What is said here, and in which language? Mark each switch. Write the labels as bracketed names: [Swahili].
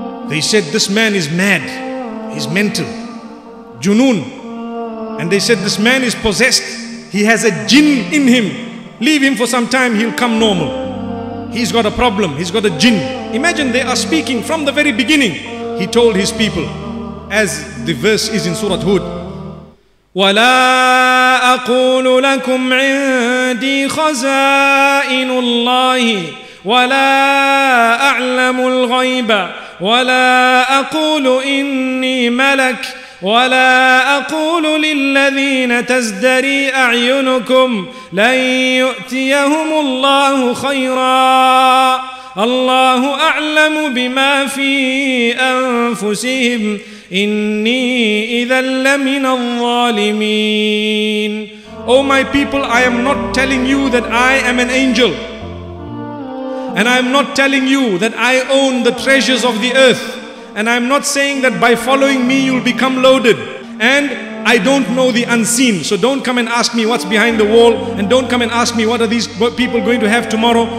[English] They said, this man is mad. He's mental. Junoon. And they said, this man is possessed. He has a jinn in him. Leave him for some time, he'll come normal. He's got a problem, he's got a jinn. Imagine they are speaking from the very beginning. He told his people, as the verse is in Surah Hud. [Arabic] وَلَا أَقُولُ لَكُمْ عِنْدِي خَزَائِنُ اللَّهِ وَلَا أَعْلَمُ الْغَيْبَ وَلَا أَقُولُ إِنِّي مَلَكٌ ولا أقول للذين تزدري أعينكم لن يؤتيهم الله خيرا الله أعلم بما في أنفسهم إني إذا لمن الظالمين. [English] Oh my people, I am not telling you that I am an angel, and I am not telling you that I own the treasures of the earth. And I'm not saying that by following me you'll become loaded. And I don't know the unseen. So don't come and ask me what's behind the wall. And don't come and ask me what are these people going to have tomorrow.